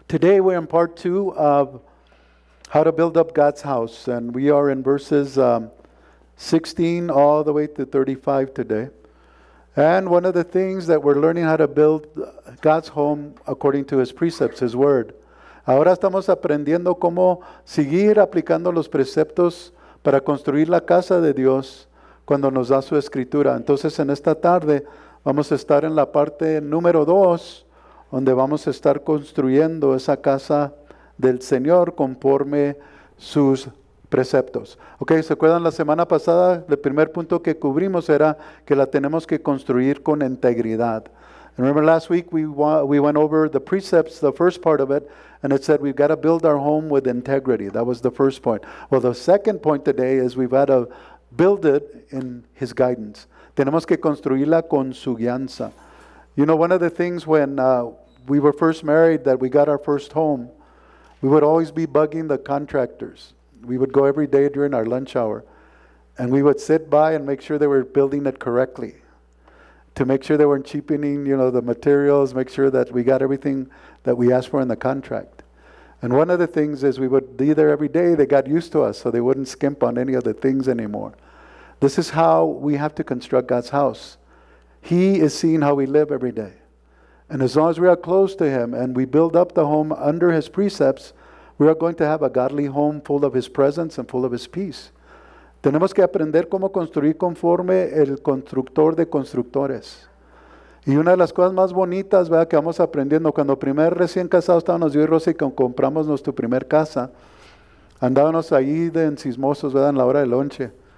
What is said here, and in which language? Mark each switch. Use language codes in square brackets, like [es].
[en] Today we're in part two of how to build up God's house, and we are in verses 16 all the way to 35 today. And one of the things that we're learning how to build God's home according to His precepts, His Word. [es] Ahora estamos aprendiendo cómo seguir aplicando los preceptos para construir la casa de Dios cuando nos da su escritura. Entonces, en esta tarde vamos a estar en la parte número dos, donde vamos a estar construyendo esa casa del Señor conforme sus preceptos. Ok, ¿se acuerdan la semana pasada? El primer punto que cubrimos era que la tenemos que construir con integridad. [en] Remember last week we went over the precepts, the first part of it, and it said we've got to build our home with integrity. That was the first point. Well, the second point today is we've got to build it in His guidance. [es] Tenemos que construirla con su guianza. [en] You know, one of the things when we were first married, that we got our first home, we would always be bugging the contractors. We would go every day during our lunch hour, and we would sit by and make sure they were building it correctly, to make sure they weren't cheapening, you know, the materials, make sure that we got everything that we asked for in the contract. And one of the things is we would be there every day. They got used to us, so they wouldn't skimp on any of the things anymore. This is how we have to construct God's house. He is seeing how we live every day. And as long as we are close to Him and we build up the home under His precepts, we are going to have a godly home full of His presence and full of His peace. [es] Tenemos que aprender cómo construir conforme el constructor de constructores. Y una de las cosas más bonitas, ¿verdad?, que vamos aprendiendo, cuando primer recién casado estábamos yo y Rosy, que compramos nuestra primer casa, andábamos ahí de encismosos, ¿verdad?, en la hora del lonche.